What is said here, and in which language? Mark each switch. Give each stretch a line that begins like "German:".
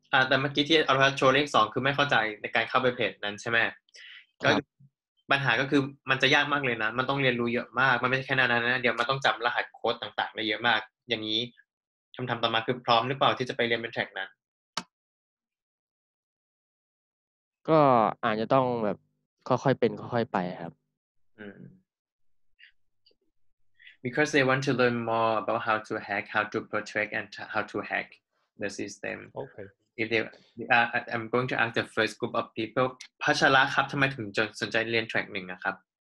Thai: แต่เมื่อกี้ที่เราโชว์เลข2คือไม่เข้าใจในการเข้าไปเพจนั้นใช่ไหมก็ปัญหาก็คือมันจะยากมากเลยนะมันต้องเรียนรู้เยอะมากมันไม่ใช่แค่นั้นนะเดี๋ยวมันต้องจำรหัสโค้ดต่างๆได้เยอะมากอย่างนี้คำถามต่อมาคือพร้อมหรือเปล่าที่จะไปเรียนเป็นแท็กนั้น ก็อาจจะต้องแบบค่อยๆเป็นค่อยๆไปครับ
English: Because they want to learn more about how to hack how to protect and how to hack the system okay If they are, I'm going to ask the first group of people.
Thai: พัชระครับทำไมถึงสนใจเรียนแทร็กหนึ่งครับ